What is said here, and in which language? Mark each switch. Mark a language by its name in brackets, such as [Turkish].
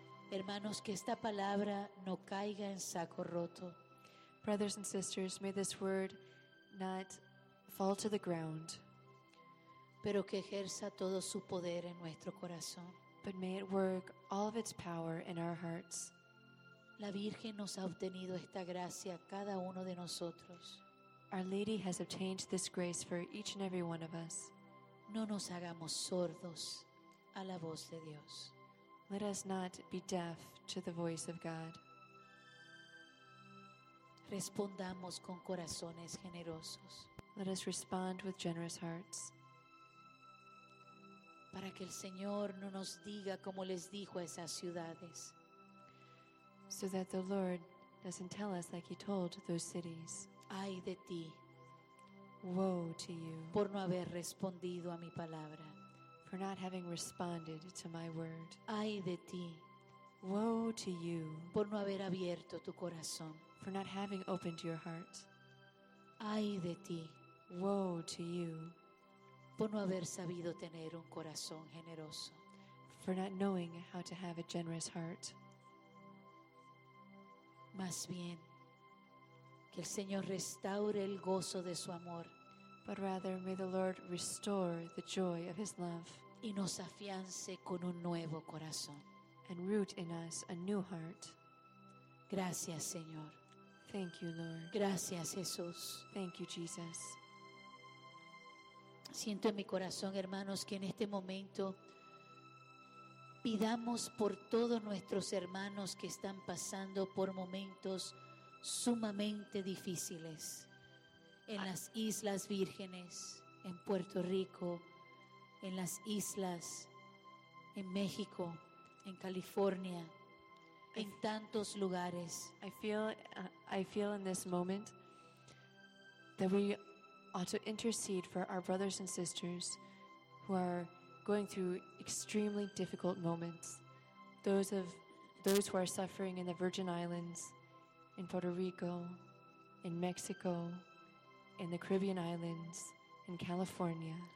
[Spanish] Hermanos, que esta palabra no caiga en saco roto. [English] Brothers and sisters, may this word not fall to the ground, [Spanish] pero que ejerza todo su poder en nuestro corazón. [English] But may it work all of its power in our hearts. [Spanish] La Virgen nos ha obtenido esta gracia cada uno de nosotros. [English] Our Lady has obtained this grace for each and every one of us. [Spanish] No nos hagamos sordos a la voz de Dios. [English] Let us not be deaf to the voice of God. [Spanish] Respondamos con corazones generosos. [English] Let us respond with generous hearts. [Spanish] Para que el Señor no nos diga como les dijo a esas ciudades. [English] So that the Lord doesn't tell us like he told those cities. [Spanish] Ay de ti. [English] Woe to you. [Spanish] Por no haber respondido a mi palabra. [English] For not having responded to my word. [Spanish] Ay de ti. [English] Woe to you. [Spanish] Por no haber abierto tu corazón. [English] For not having opened your heart. [Spanish] Ay de ti. [English] Woe to you. [Spanish] Por no haber sabido tener un corazón generoso. [English] For not knowing how to have a generous heart. [Spanish] Más bien, que el Señor restaure el gozo de su amor. [English] But rather, may the Lord restore the joy of his love. [Spanish] Y nos afiance con un nuevo corazón. [English] And root in us a new heart. [Spanish] Gracias, Señor. [English] Thank you, Lord. [Spanish] Gracias, Jesús. [English] Thank you, Jesus. [Spanish] Siento en mi corazón, hermanos, que en este momento pidamos por todos nuestros hermanos que están pasando por momentos sumamente difíciles en las Islas Vírgenes, en Puerto Rico, en las Islas, en México, en California, en tantos lugares. [English] I feel in this moment that we ought to intercede for our brothers and sisters who are going through extremely difficult moments. Those who are suffering in the Virgin Islands, in Puerto Rico, in Mexico, in the Caribbean Islands, in California.